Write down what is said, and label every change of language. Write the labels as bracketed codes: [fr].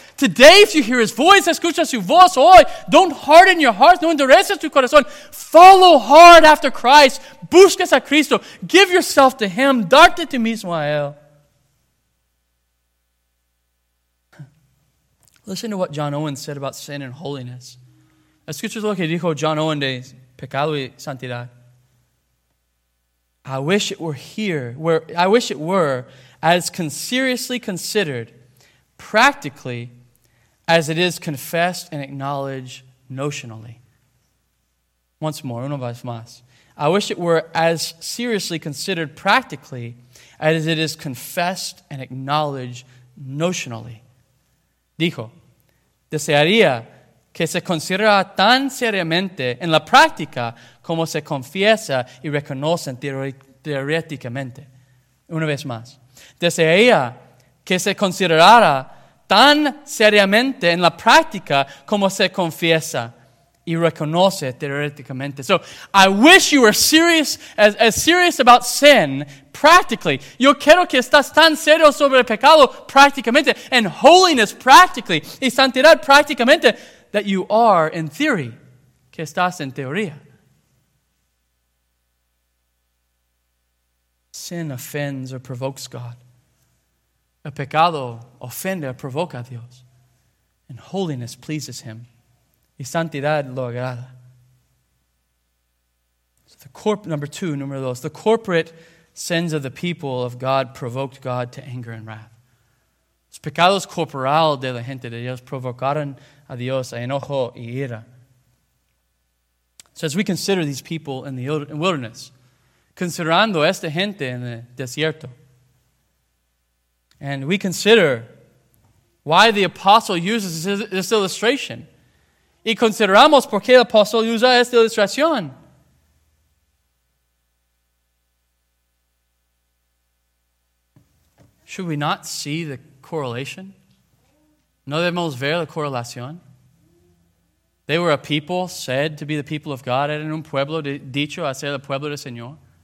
[en] Today, if you hear His voice, [es] escucha su voz hoy. [en] Don't harden your heart. [es] No endureces tu corazón. [en] Follow hard after Christ. [es] Buscas a Cristo. [en] Give yourself to Him. [es] Darte tú mismo a Él. [en] Listen to what John Owen said about sin and holiness. [es] Escucha lo que dijo John Owen de pecado y santidad. [en] I wish it were as seriously considered practically as it is confessed and acknowledged notionally. Once more, [es] una vez más. [en] I wish it were as seriously considered practically as it is confessed and acknowledged notionally. [es] Dijo, desearía que se considera tan seriamente en la práctica como se confiesa y reconoce teóricamente. Una vez más. Desearía que se considerara tan seriamente en la práctica como se confiesa y reconoce teóricamente. [en] So, I wish you were serious about sin practically. [es] Yo quiero que estás tan serio sobre el pecado prácticamente [en] and holiness practically [es] y santidad prácticamente [en] that you are in theory, [es] que estás en teoría. [en] Sin offends or provokes God. [es] El pecado ofende o provoca a Dios. [en] And holiness pleases Him. [es] Y santidad lo agrada. [en] So number two, the corporate sins of the people of God provoked God to anger and wrath. [es] Los pecados corporal de la gente de Dios provocaron a Dios a enojo y ira. [en] So as we consider these people in the wilderness, [es] considerando esta gente en el desierto, [en] and we consider why the apostle uses this illustration, [es] y consideramos por qué el apóstol usa esta ilustración. [en] Should we not see the correlation? [es] No debemos ver la correlación. [en] They were a people said to be the people of God. [es] Eran un pueblo dicho a ser el pueblo del Señor.